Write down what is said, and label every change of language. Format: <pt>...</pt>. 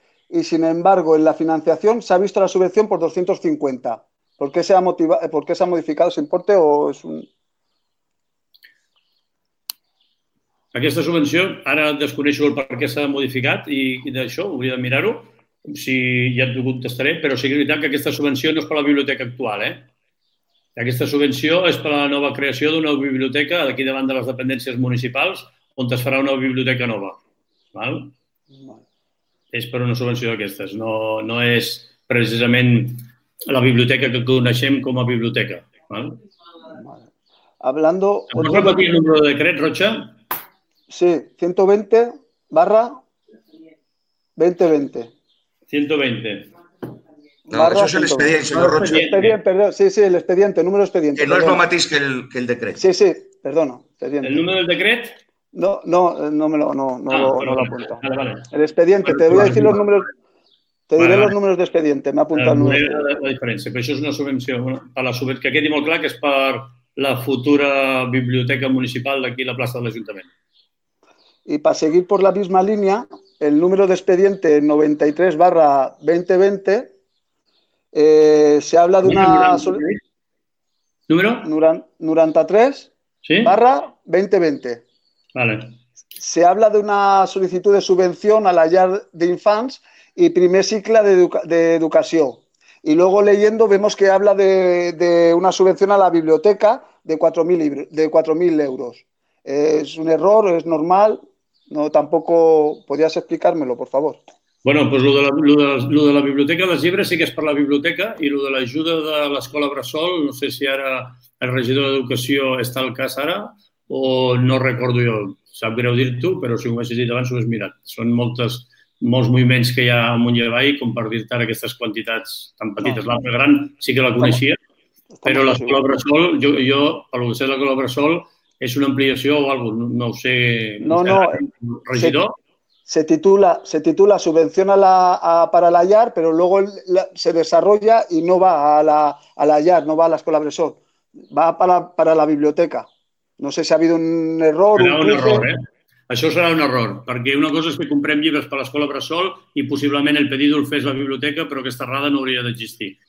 <es>Y sin embargo, en la financiación se ha visto la subvención por 250. ¿Por qué se ha motivado, por qué se ha modificado ese importe o es un...?</es> <ca>Aquesta subvenció, ara desconeixo el per què s'ha modificat i d'això hauria de mirar-ho, si ja t'ho contestaré, però sí que és veritat que aquesta subvenció no és per la biblioteca actual, eh? Aquesta subvenció és per a la nova creació d'una biblioteca d'aquí davant de les dependències municipals, on es farà una biblioteca nova. Val? És per una subvenció d'aquestes. No, no és precisament la biblioteca que coneixem com a biblioteca. Val?</ca> <es>Hablando...</es> <ca>¿Em pots repetir el número de decret, Rocha?</ca> <es>Sí, 120/2020. 120.</es> <ca>No, això és l'expedient, senyor Rocha. Expedient, perdó. Sí, sí, l'expedient, el número d'expedient. Que no és el mateix que el decret. Sí, sí, perdona.</ca> <es>Expediente.</es> <ca>¿El número del decret?</ca> <es>No, no, no me lo, no, no, ah, lo, no lo apunto. Vale, vale. El expediente, vale, te voy a decir los números, te vale, diré vale. Los números d'expediente, me apunta el número.</es> <ca>La diferència, però això és una subvenció, que quedi molt clar que és per la futura biblioteca municipal d'aquí a la plaça de l'Ajuntament.</ca> <es>Y para seguir por la misma línea, el número de expediente 93/2020, se habla de una... ¿Número? 93/2020. Vale. Se habla de una solicitud de subvención a la llar de infants y primer cicle de educación. Y luego leyendo vemos que habla de una subvención a la biblioteca de 4.000 euros. ¿Es un error? ¿Es normal? No, tampoco podrías explicármelo, por favor. Bueno, pues lo de la</es> <ca>biblioteca de llibres sí que és per la biblioteca i lo de l'ajuda de l'escola Bressol, no sé si ara el regidor d'educació està al cas ara o no recordo jo. Sap greu dir-t'ho, però si ho hagués dit abans ho has mirat. Són molts moviments que hi ha amunt i avall com per dir-te ara aquestes quantitats tan petites. L'altra gran sí que la coneixia, però l'escola Bressol, jo pel que sé de l'escola Bressol, és una ampliació o alguna cosa, no ho sé. No, no. Regidor?</ca> <es>Se titula subvención para la IAR, pero luego se desarrolla y no va a la IAR, no va a la Escuela Bressol. Va para la biblioteca. No sé si ha habido un error. Era un error, ¿eh?</es> <ca>Això serà un error, perquè una cosa és que comprem llibres per l'escola Bressol i possiblement el pedido el fes la biblioteca, però aquesta errada no hauria d'existir.</ca>